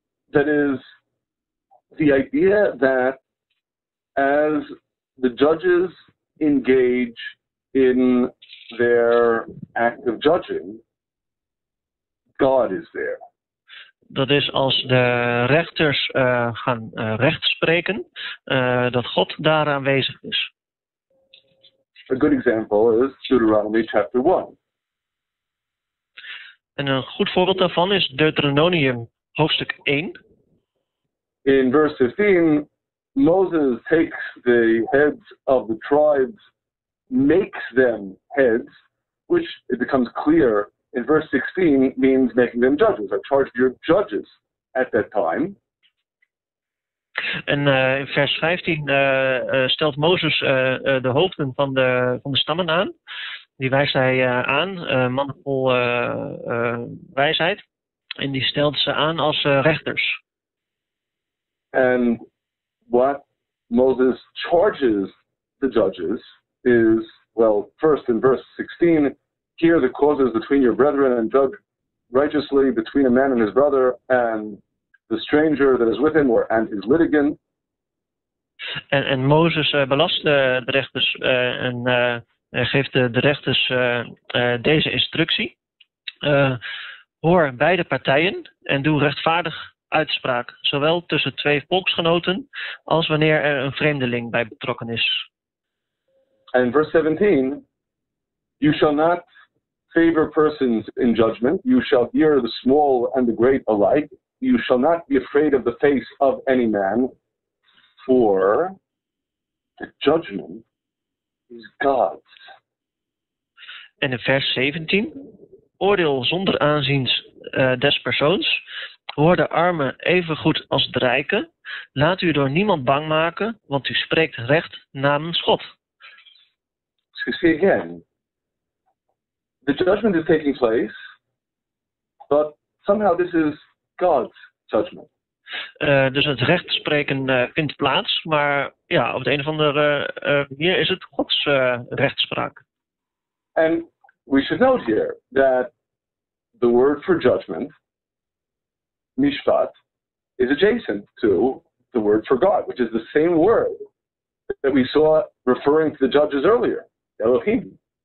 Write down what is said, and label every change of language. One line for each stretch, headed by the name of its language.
English: That is the idea that as the judges engage in their act of judging, God is there.
Dutch: Dat is als de rechters gaan rechtspreken, dat God daar aanwezig is.
English: A good example is Deuteronomy chapter 1.
Dutch: En een goed voorbeeld daarvan is Deuteronomium hoofdstuk 1.
English: In verse 15, Moses takes the heads of the tribes, makes them heads, which it becomes clear in verse 16 means making them judges. I charged your judges at that time.
Dutch: En in vers 15 stelt Mozes de hoofden van de stammen aan. Die wijst hij aan, mannen vol wijsheid. En die stelt ze aan als rechters.
English: And what Moses charges the judges is, well, first in verse 16, here the causes between your brethren and judge righteously between a man and his brother and the stranger that is with him or and his litigant.
Dutch: En Mozes belast de rechters en geeft de rechters deze instructie. Hoor beide partijen en doe rechtvaardig uitspraak, zowel tussen twee volksgenoten als wanneer er een vreemdeling bij betrokken is.
English: En verse 17, you shall not favor persons in judgment, you shall hear the small and the great alike, you shall not be afraid of the face of any man, for the judgment is God's.
Dutch: En in vers 17, oordeel zonder aanziens des persoons, hoor de armen even goed als de rijken, laat u door niemand bang maken, want u spreekt recht namens God.
English: So you see again, the judgment is taking place, but somehow this is God's judgment.
Dutch: Dus het recht spreken vindt plaats, maar ja, op de een of andere manier is het Gods rechtspraak.
English: And we should note here that the word for judgment, mishpat, is adjacent to the word for God, which is the same word that we saw referring to the judges earlier, Elohim.